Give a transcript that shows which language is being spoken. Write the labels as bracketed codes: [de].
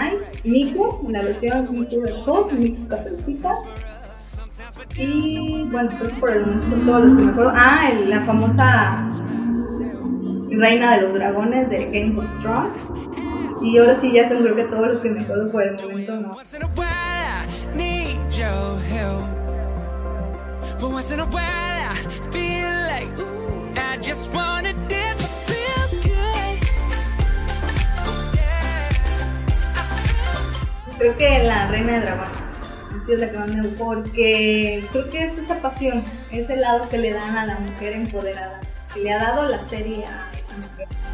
[es] Nice, Miku, la versión Miku de Hulk, Miku Caperucita, y bueno, creo que por el momento son todos los que me acuerdo, la famosa Reina de los Dragones de Game of Thrones, y ahora sí ya son creo que todos los que me acuerdo por el momento, ¿no? [en] But once in a while I feel like, ooh, I just wanna dance and feel good. [es] Creo que la Reina de Dragones así es la que más me gusta, porque creo que es esa pasión, ese lado que le dan a la mujer empoderada, que le ha dado la serie a esa mujer.